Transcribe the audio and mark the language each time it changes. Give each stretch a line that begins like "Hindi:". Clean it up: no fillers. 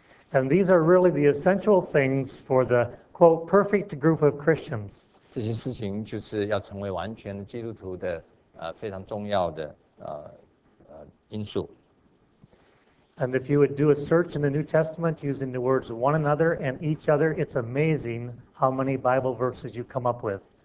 English: And these are really the essential things for the quote perfect group of Christians.
Chinese: 这些事情就是要成为完全基督徒的。非常重要的因素。
English: And if you would do a search in the New Testament using the words one another and each other, it's amazing how many Bible verses you come up with.